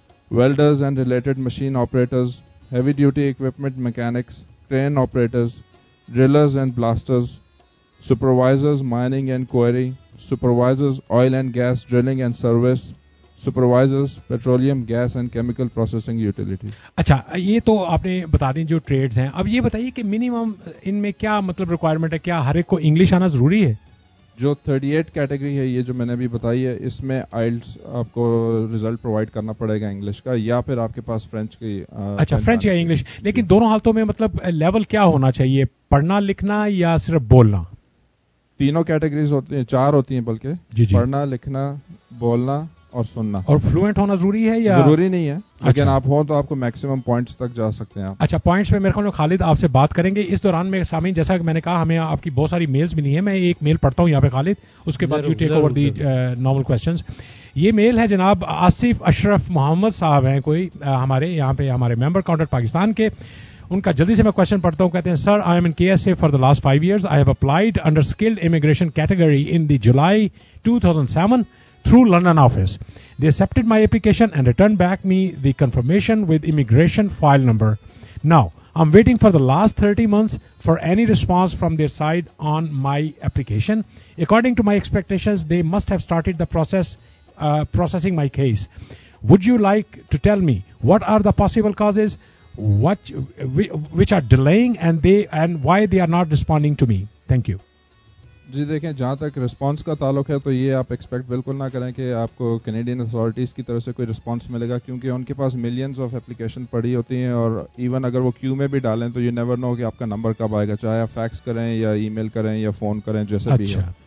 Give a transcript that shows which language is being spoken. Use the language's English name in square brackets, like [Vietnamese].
[English] welders and related machine operators, heavy duty equipment mechanics, train operators, drillers and blasters, supervisors mining and quarry, supervisors oil and gas drilling and service, supervisors petroleum gas and chemical processing utility. [Urdu] اچھا, یہ تو آپ نے بتا دی جو trades ہیں. اب یہ بتائیے کہ منیمم ان میں کیا مطلب ریکوائرمنٹ ہے, کیا ہر ایک کو انگلش آنا ضروری ہے؟ جو 38 کیٹیگری ہے یہ جو میں نے ابھی بتائی ہے, اس میں آئیلٹس آپ کو ریزلٹ پرووائڈ کرنا پڑے گا انگلش کا, یا پھر آپ کے پاس فرینچ کی. اچھا, فرینچ یا انگلش, لیکن دونوں حالتوں میں مطلب لیول کیا ہونا چاہیے, پڑھنا لکھنا یا صرف بولنا؟ تینوں کیٹیگریز ہوتی ہیں, چار ہوتی ہیں بلکہ. جی جی. پڑھنا لکھنا, بولنا اور سننا. اور فلوئنٹ ہونا ضروری ہے یا ضروری نہیں ہے؟ اچھا. لیکن آپ ہوں تو آپ کو میکسیمم پوائنٹس تک جا سکتے ہیں آپ. اچھا, پوائنٹس میں میرے خیال میں خالد آپ سے بات کریں گے اس دوران میں. سامعین, جیسا کہ میں نے کہا ہمیں آپ کی بہت ساری میلز ملی ہیں, میں ایک میل پڑھتا ہوں یہاں پہ خالد, اس کے بعد [English] You take over the normal questions. [Urdu] یہ میل ہے جناب آصف اشرف محمد صاحب ہیں کوئی ہمارے یہاں پہ ہمارے ممبر کاؤنٹر پاکستان کے, ان کا جلدی سے میں کوشچن پڑھتا ہوں. کہتے ہیں سر, [English] I am in K S A for the last 5 years, I have applied under skilled immigration category in the July 2007 through London office. They accepted my application and returned back me the confirmation with immigration file number. Now, I'm waiting for the last 30 months for any response from their side on my application. According to my expectations, they must have started the process processing my case. Would you like to tell me what are the possible causes which are delaying and why they are not responding to me? Thank you. [Urdu] جی دیکھیں, جہاں تک response کا تعلق ہے تو یہ آپ expect بالکل نہ کریں کہ آپ کو کینیڈین اتھارٹیز کی طرف سے کوئی رسپانس ملے گا, کیونکہ ان کے پاس ملینز آف اپلیکیشن پڑی ہوتی ہیں, اور ایون اگر وہ کیو میں بھی ڈالیں تو [English] you never know [Urdu] کہ آپ کا نمبر کب آئے گا, چاہے آپ فیکس کریں یا ای میل کریں یا فون کریں جیسے بھی ہو.